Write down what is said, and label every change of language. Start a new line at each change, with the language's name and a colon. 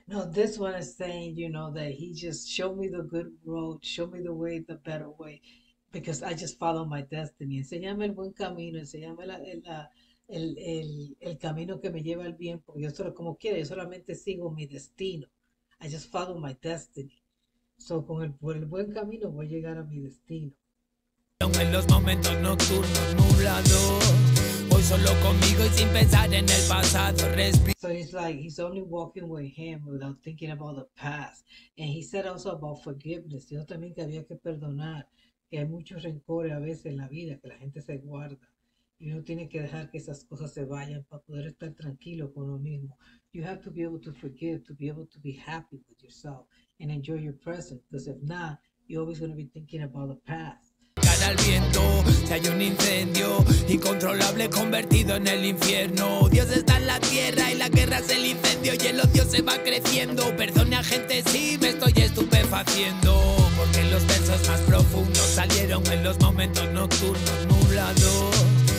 English: This one is saying, you know, that he just showed me the good road, show me the way, the better way, because I just follow my destiny.
Spanish: Enséñame el buen camino, enséñame el camino que me lleva al bien, porque yo solo como quiera, yo solamente sigo mi destino.
English: I just follow my destiny.
Spanish: So con el, por el buen camino voy a llegar a mi destino. En los momentos nocturnos nublados. Voy solo conmigo y sin pensar en el pasado.
English: So he's like, he's only walking with him without thinking about the past. And he said also about forgiveness.
Spanish: Yo también que había que perdonar, que hay muchos rencores a veces en la vida, que la gente se guarda. Y uno tiene que dejar que esas cosas se vayan para poder estar tranquilo con uno mismo.
English: You have to be able to forgive, to be able to be happy with yourself and enjoy your present. Because if not, you're always going to be thinking about the past.
Spanish: Cara al viento, si hay un incendio incontrolable convertido en el infierno. Dios está en la tierra y la guerra es el incendio. Y el odio se va creciendo. Perdone a gente si me estoy estupefaciendo, porque los versos más profundos salieron en los momentos nocturnos nublados.